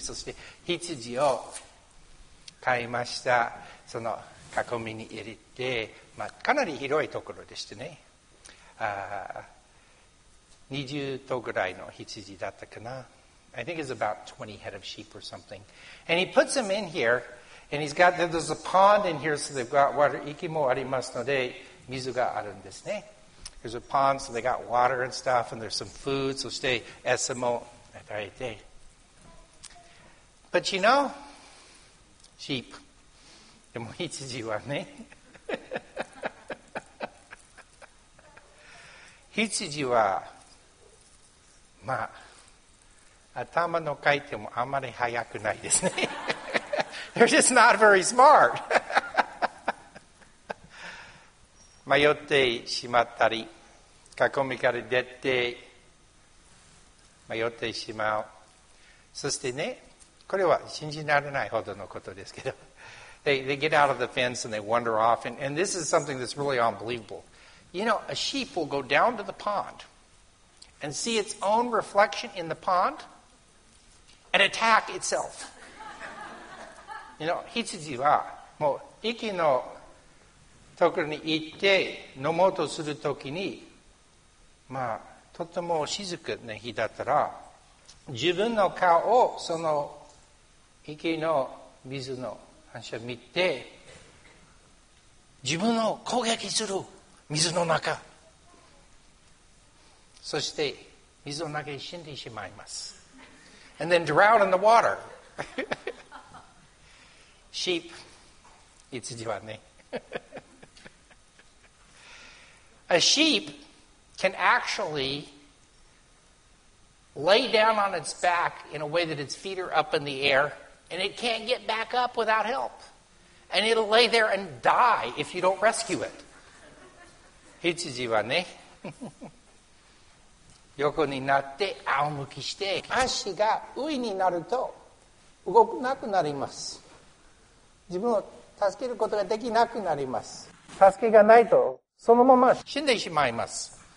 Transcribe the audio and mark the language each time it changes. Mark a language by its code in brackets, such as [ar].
[ja] そして羊を買いました。その囲みに入れて、まあ、かなり広いところでしたね。 20頭ぐらいの羊だったかな。 [en] I think it's about 20 head of sheep or something. And he puts them in here, and he's got, there's a pond in here, so they've got water. [ja] 池もありますので、水があるんですね。 [en] There's a pond, so they got water and stuff, and there's some food, [ja] そして餌も与えて。 [en] But you know, sheep. [ja] でも羊はね。羊は、まあ、頭の回転もあまり速くないですね。 [en] They're just not very smart. [ja] 迷ってしまったり、囲みから出て迷ってしまう。そしてね、これは信じられないほどのことですけど、 [en] they get out of the fence and they wander off. And this is something that's really unbelievable. You know, a sheep will go down to the pond and see its own reflection in the pond. And attack itself. [ja] You know, 羊はもう息のところに行って飲もうとするときに、まあとても静かな日だったら、自分の顔をその息の水の反射見て、自分を攻撃する水の中、そして水の中に死んでしまいます。 [en] And then drown in the water. Sheep. [ja] 羊はね。 [en] A sheep can actually lay down on its back in a way that its feet are up in the air, and it can't get back up without help. And it'll lay there and die if you don't rescue it. [ja] 羊はね。横になって仰向きして足が上になると動くなくなります。自分を助けることができなくなります。助けがないとそのまま死んでしまいます。